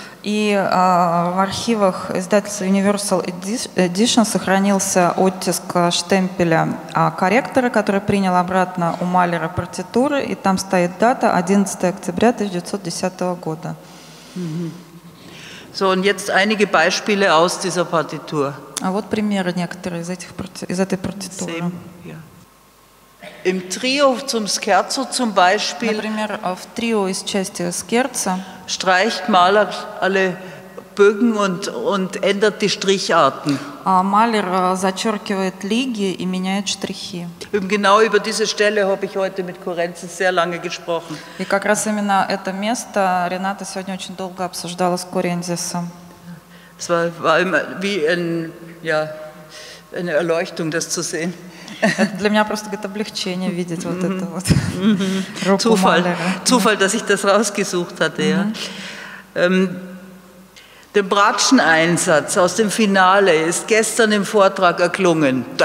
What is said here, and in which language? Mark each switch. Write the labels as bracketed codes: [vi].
[ru] И в архивах издательства Universal Edition сохранился оттиск штемпеля корректора, который принял обратно у Малера партитуры, и там стоит дата 11 октября 1910 года. [de] So, und jetzt einige Beispiele aus dieser Partitur. [ru] А вот примеры некоторые из этой партитуры. [en] Same, yeah. [de] Im Trio zum Scherzo zum Beispiel. [ru] Например, в трио из части Скерца. [de] Streicht Maler alle Bögen und ändert die Stricharten. [ru] Maler зачеркивает лиги и меняет штрихи. [de] Genau über diese Stelle habe ich heute mit Corenzi sehr lange gesprochen. [ru] И как раз именно это место Рената сегодня очень долго обсуждала с Корензисом. [de] Es war immer wie ein, ja, eine Erleuchtung, das zu sehen. [ru] Для меня просто это облегчение видеть вот это вот. [de] Zufall, dass ich das rausgesucht hatte, ja. Der Bratscheneinsatz aus dem Finale ist gestern im Vortrag erklungen.